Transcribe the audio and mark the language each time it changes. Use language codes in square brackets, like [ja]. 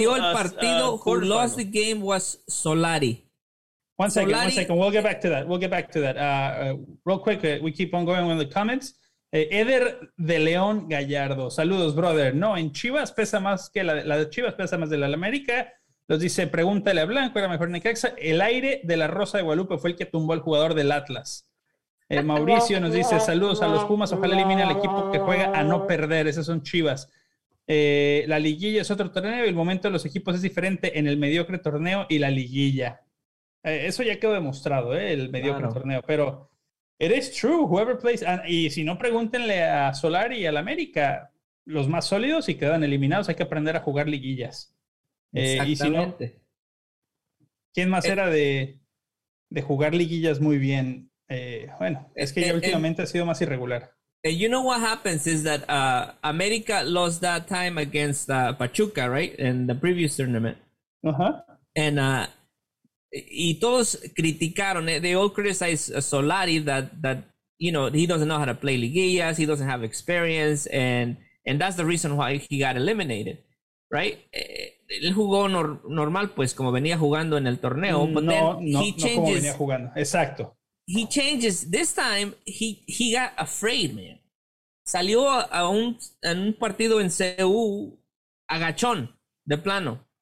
[en] I don't think the boost of confidence is enough to win the game. Was Solari. One second. We'll get back to that. Real quick, we keep on going with the comments. [es] Eder de León Gallardo. Saludos, brother. No, en Chivas pesa más que la de Chivas pesa más de la América. Los dice, pregúntale a Blanco, era mejor Necaxa. El aire de la Rosa de Guadalupe fue el que tumbó al jugador del Atlas. Mauricio nos dice, saludos a los Pumas. Ojalá elimine al equipo que juega a no perder. Esas son Chivas. La liguilla es otro torneo y el momento de los equipos es diferente en el mediocre torneo y la liguilla. Eso ya quedó demostrado, el mediocre torneo. Pero [en] it is true, whoever plays, [es] y si no, pregúntenle a Solari y al América, los más sólidos y quedan eliminados. Hay que aprender a jugar liguillas. Exactamente. Y si no, ¿quién más era de jugar liguillas muy bien? Últimamente ha sido más irregular. [en] And you know what happens is that América lost that time against Pachuca, right? In the previous tournament. Uh-huh. [es] And Y todos criticaron. [en] They all criticized Solari that you know, he doesn't know how to play Liguillas. He doesn't have experience. And that's the reason why he got eliminated, right? [es] Él jugó normal, pues, como venía jugando en el torneo. [en] But no, he changes, [es] no como venía jugando. Exacto. [en] He changes. This time, he got afraid, man. [es] Salió a un partido en CU agachón, de plano.